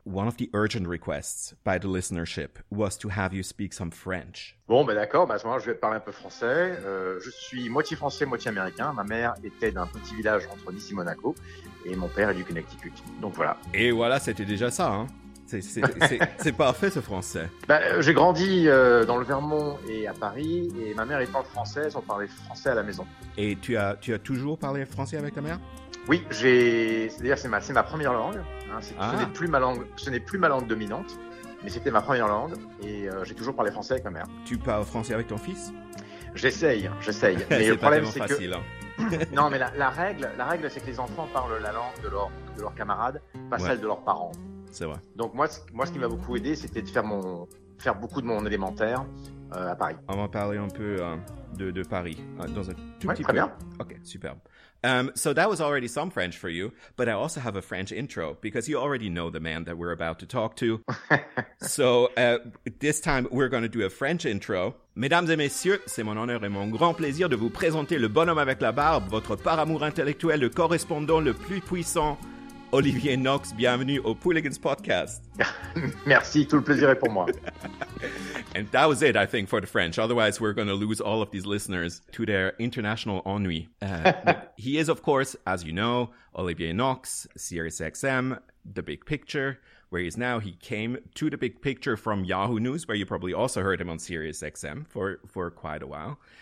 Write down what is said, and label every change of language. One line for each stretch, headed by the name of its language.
English: One of the urgent requests by the listenership was to have you speak some French.
French: Bon, ben d'accord, ben à ce moment-là, je vais te parler un peu français. Je suis moitié français, moitié américain. Ma mère était d'un petit village entre Nice et Monaco, et mon père est du Connecticut. Donc voilà. Et voilà, c'était déjà ça, hein. C'est parfait, ce français. Ben, j'ai grandi dans le Vermont et à Paris, et ma mère étant française, on parlait français à la maison. Et tu as toujours parlé français avec ta mère? Oui, c'est ma première langue. Hein, ce n'est plus ma langue dominante, mais c'était ma première langue et j'ai toujours parlé français avec ma mère. Tu parles français avec ton fils? J'essaye. Mais c'est le pas problème, c'est facile. Que... non, mais la règle, c'est que les enfants parlent la langue de leurs camarades, pas ouais. celle de leurs parents. C'est vrai. Donc moi, ce qui m'a beaucoup aidé, c'était de faire beaucoup de mon élémentaire à Paris. On va parler un peu de Paris dans un tout ouais, petit très peu. Bien. Ok, superbe.
English: So that was already some French for you, but I also have a French intro, because you already know the man that we're about to talk to. So this time, we're going to do a French intro.
French: Mesdames et messieurs, c'est mon honneur et mon grand plaisir de vous présenter le bonhomme avec la barbe, votre paramour intellectuel, le correspondant le plus puissant, Olivier Knox. Bienvenue au Pooligans Podcast. Merci, tout le plaisir est pour moi.
English: And that was it, I think, for the French. Otherwise, we're going to lose all of these listeners to their international ennui. he is, of course, as you know, Olivier Knox, SiriusXM, The Big Picture, where he is now. He came to The Big Picture from Yahoo News, where you probably also heard him on SiriusXM for quite a while.